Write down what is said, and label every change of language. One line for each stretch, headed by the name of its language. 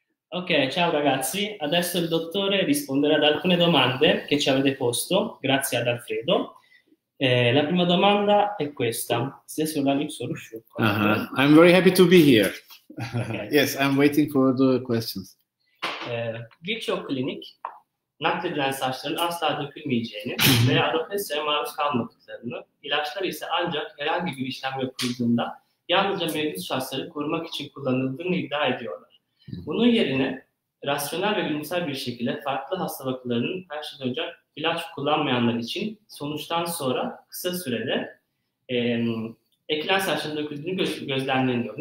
Italian: Ok, ciao ragazzi, adesso il dottore risponderà ad alcune domande che ci avete posto, grazie ad Alfredo. La prima domanda è questa.
English: I'm very happy to be here. Okay. Yes, I'm waiting for the questions.
Turkish: Birçok klinik, nakledilen saçların asla dökülmeyeceğini veya alopeciye maruz kalmadıklarını, ilaçlar ise ancak herhangi bir işlem yapıldığında yalnızca mevcut saçları korumak için kullanıldığını iddia ediyorlar. Bunun yerine rasyonel ve bilimsel bir şekilde farklı hasta vakalarının her şeyden önce ilaç kullanmayanlar için sonuçtan sonra kısa sürede eklen saçların döküldüğünü gözlemleniyor.